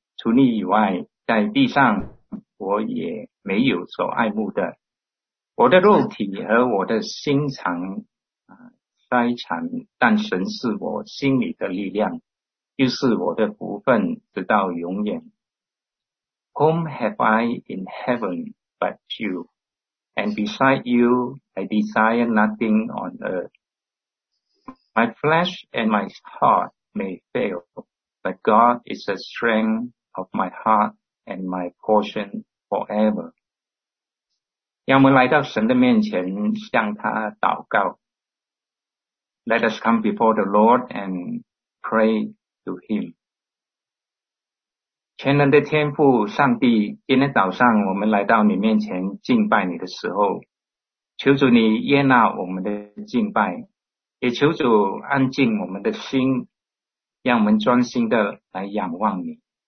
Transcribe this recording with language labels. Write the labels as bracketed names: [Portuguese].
[Chinese] 除你以外，在地上我也没有所爱慕的。我的肉体和我的心肠衰残，但神是我心里的力量，又是我的福分，直到永远。 [English] Whom have I in heaven but you? And beside you, I desire nothing on earth. My flesh and my heart may fail, but God is the strength of my heart and my portion forever. [Chinese] 让我们来到神的面前，向他祷告。 [English] Let us come before the Lord and pray to Him. [Chinese] 全能的天父上帝，今天早上我们来到你面前敬拜你的时候，求主你悦纳我们的敬拜，也求主安静我们的心，让我们专心的来仰望你。